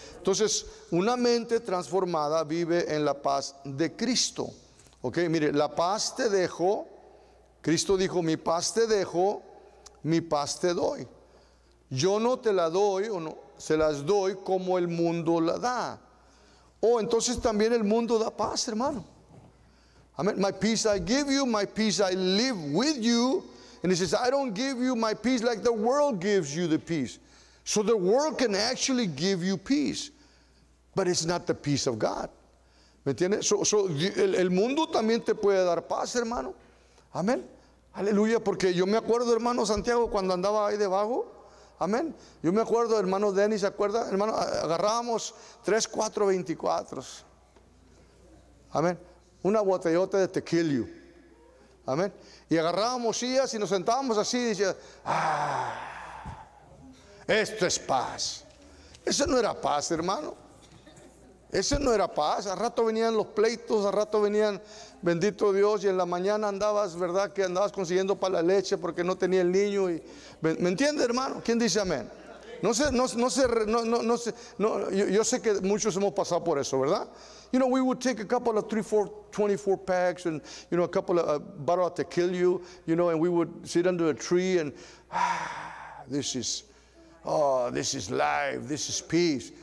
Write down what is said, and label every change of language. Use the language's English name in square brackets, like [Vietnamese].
[Spanish] Entonces, una mente transformada vive en la paz de Cristo. Okay? Mire, la paz te dejo. Cristo dijo, mi paz te dejo, mi paz te doy. Yo no te la doy, o no, se las doy como el mundo la da. Oh, entonces también el mundo da paz, hermano. Amen. [English] My peace I give you, my peace I live with you. And he says, I don't give you my peace like the world gives you the peace. So the world can actually give you peace. But it's not the peace of God. [Spanish] ¿Me entiendes? So el mundo también te puede dar paz, hermano. Amén, aleluya, porque yo me acuerdo, hermano Santiago, cuando andaba ahí debajo, amén. Yo me acuerdo, hermano Denis, ¿se acuerda? Hermano, agarrábamos 3, 4, 24, amén, una botellota de tequila, amén. Y agarrábamos sillas y nos sentábamos así, y decía, ah, Esto es paz. Eso no era paz, hermano. Eso no era paz. A rato venían los pleitos, a rato venían, bendito Dios, y en la mañana andabas, ¿verdad?, que andabas consiguiendo para la leche porque no tenía el niño. Y, ¿me entiende, hermano? ¿Quién dice amén? Yo sé que muchos hemos pasado por eso, ¿verdad? [English] You know, we would take a couple of 24 packs and, you know, a couple of bottles to kill you, you know, and we would sit under a tree and, this is life, this is peace.